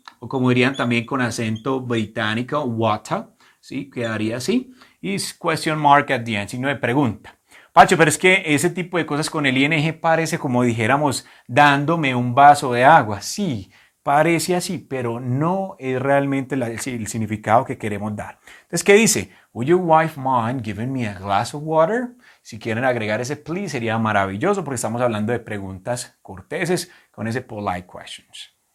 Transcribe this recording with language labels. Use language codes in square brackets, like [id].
[es] O como dirían también con acento británico, water. ¿Sí? Quedaría así. [en] Is question mark at the end, [es] signo de pregunta. Pacho, pero es que ese tipo de cosas con el ing parece como dijéramos dándome un vaso de agua. Sí, parece así, pero no es realmente el significado que queremos dar. Entonces, ¿qué dice? [en] Would your wife mind giving me a glass of water? [es] Si quieren agregar ese please, sería maravilloso porque estamos hablando de preguntas corteses con ese [en] polite questions.